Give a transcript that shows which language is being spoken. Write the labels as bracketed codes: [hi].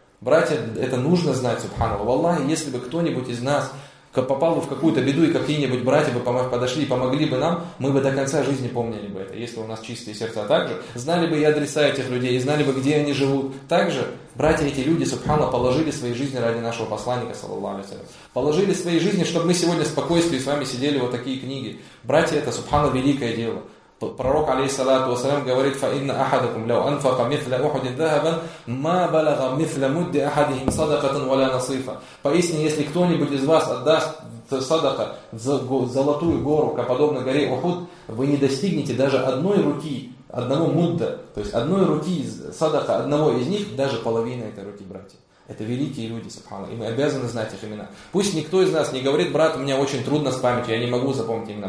[ru] Братья, это нужно знать, субханаллах. Валлахи, если бы кто-нибудь из нас попал бы в какую-то беду, и какие-нибудь братья бы подошли и помогли бы нам, мы бы до конца жизни помнили бы это, если у нас чистые сердца также. Знали бы и адреса этих людей, и знали бы, где они живут. Также братья эти люди, субханаллах, положили свои жизни ради нашего посланника, саллаллаху алейхи ва саллям. Положили свои жизни, чтобы мы сегодня в спокойствии с вами сидели вот такие книги. Братья, это, субханаллах, великое дело. Пророк, алейхиссалату вассалям, говорит, [ar] فَإِنَّ أَحَدَكُمْ لَوْ أَنْفَقَ مِثْلَ أُحُدٍ ذَهَبًا مَا بَلَغَ مِثْلَ مُدِّ أَحَدِهِمْ صَدَقَةً وَلَا نَصِيفًا. [ru] Поистине, если кто-нибудь из вас отдаст садака, золотую гору, подобно горе Ухуд, вы не достигнете даже одной руки, одного мудда, то есть одной руки садака, одного из них, даже половина этой руки, братья. Это великие люди, субханаллах, и мы обязаны знать их имена. Пусть никто из нас не говорит, брат, у меня очень трудно с памятью, я не могу запомнить имена.